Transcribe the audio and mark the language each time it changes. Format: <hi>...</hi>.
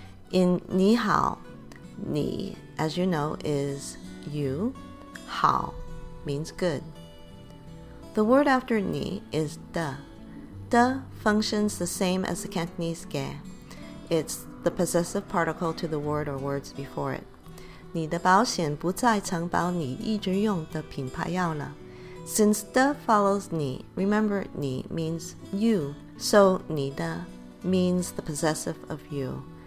<en>In 你好, 你, as you know, is you, 好, means good. The word after 你 is 的.的 functions the same as the Cantonese 게. It's the possessive particle to the word or words before it.</en> <zh>你的保险不再承保你一直用的品牌药了.</zh> <en>Since 的 follows 你, remember 你 means you, so 你的 means the possessive of you.</en>